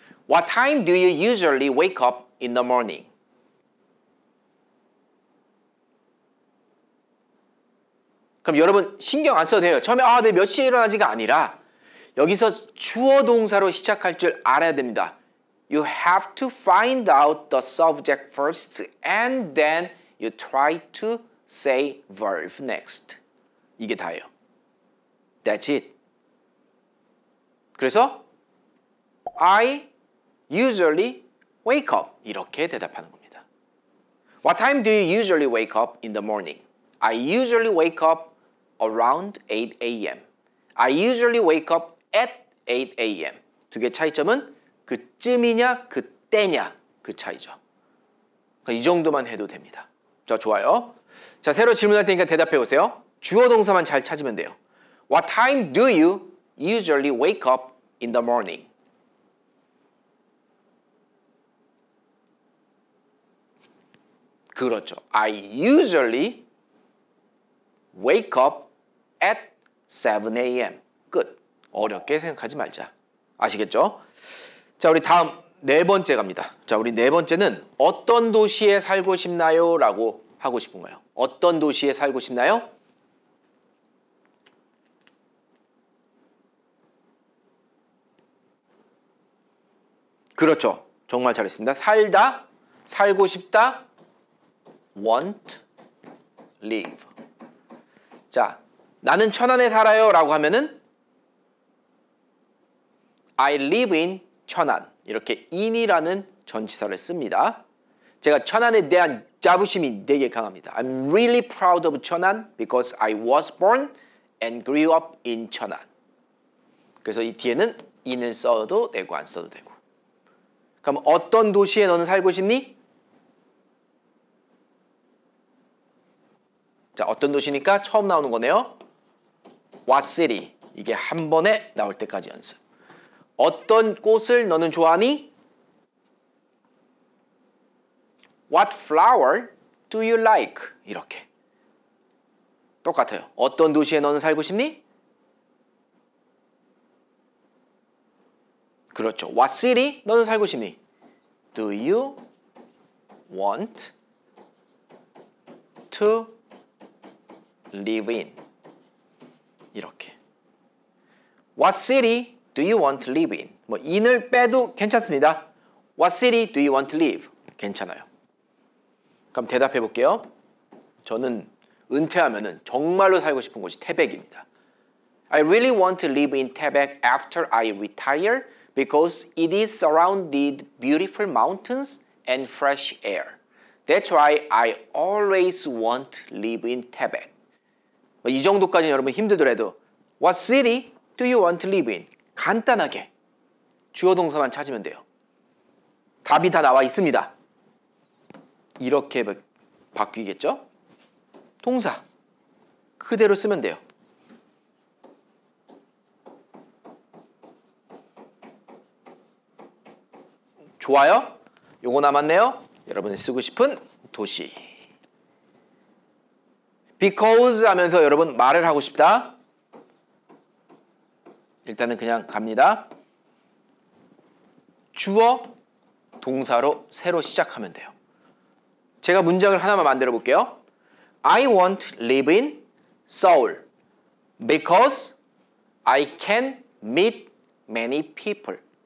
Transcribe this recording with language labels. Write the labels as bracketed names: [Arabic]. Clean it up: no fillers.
[English] What time do you usually wake up in the morning? [Korean] 그럼 여러분 신경 안 써도 돼요. 처음에 아, 내 몇 시에 일어나지가 아니라 여기서 주어 동사로 시작할 줄 알아야 됩니다. [English] You have to find out the subject first and then you try to say verb next. [Korean] 이게 다예요. [English] That's it. [Korean] 그래서 [English] I usually wake up [Korean] 이렇게 대답하는 겁니다. [English] What time do you usually wake up in the morning? I usually wake up around 8 a.m. I usually wake up at 8 a.m. [Korean] 두 개 차이점은 그쯤이냐 그때냐 그 차이죠. 이 정도만 해도 됩니다. 자, 좋아요. 자, 새로 질문할 테니까 대답해 보세요. 주어 동사만 잘 찾으면 돼요. [English] What time do you usually wake up in the morning? [Korean] 그렇죠. [English] I usually wake up at 7 a.m. [Korean] 끝. 어렵게 생각하지 말자. 아시겠죠? 자, 우리 다음 네 번째 갑니다. 자, 우리 네 번째는 어떤 도시에 살고 싶나요? 라고 하고 싶은 거예요. 어떤 도시에 살고 싶나요? 그렇죠. 정말 잘했습니다. 살다, 살고 싶다. Want, live. 자, 나는 천안에 살아요 라고 하면은 [English] I live in [Korean] 천안. 이렇게 in이라는 전치사를 씁니다. 제가 천안에 대한 자부심이 되게 강합니다. [English] I'm really proud of 천안 because I was born and grew up in 천안. [Korean] 그래서 이 뒤에는 in을 써도 되고 안 써도 되고. 그럼 어떤 도시에 너는 살고 싶니? 자, 어떤 도시니까 처음 나오는 거네요. [English] What city? [Korean] 이게 한 번에 나올 때까지 연습. 어떤 꽃을 너는 좋아하니? [English] What flower do you like? [Korean] 이렇게. 똑같아요. 어떤 도시에 너는 살고 싶니? 그렇죠. [English] What city [Korean] 너는 살고 싶니? [English] Do you want to live in? [Korean] 이렇게. [English] What city do you want to live in? [Korean] 뭐 in을 빼도 괜찮습니다. [English] What city do you want to live? [Korean] 괜찮아요. 그럼 대답해 볼게요. 저는 은퇴하면은 정말로 살고 싶은 곳이 태백입니다. [English] I really want to live in Taebaek after I retire because it is surrounded beautiful mountains and fresh air. That's why I always want to live in Taebaek. [Korean] 이 정도까지는 여러분 힘들더라도 [English] What city do you want to live in? [Korean] 간단하게 주어 동사만 찾으면 돼요. 답이 다 나와 있습니다. 이렇게 바뀌겠죠? 동사 그대로 쓰면 돼요. 좋아요? 요거 남았네요. 여러분이 쓰고 싶은 도시. Because 하면서 여러분 말을 하고 싶다. 일단은 그냥 갑니다. 주어, 동사로 새로 시작하면 돼요. 제가 문장을 하나만 만들어 볼게요. [English] I want to live in Seoul because I can meet many people.